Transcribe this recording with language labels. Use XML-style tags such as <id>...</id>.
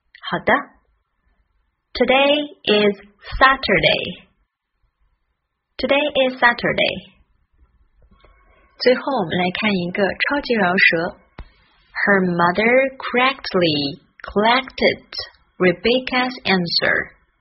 <zh>好的，</zh> <en>Today is Saturday. Today is Saturday.</en> <zh>最后我们来看一个超级饶舌。</zh> <en>Her mother correctly collected Rebecca's answer.</en>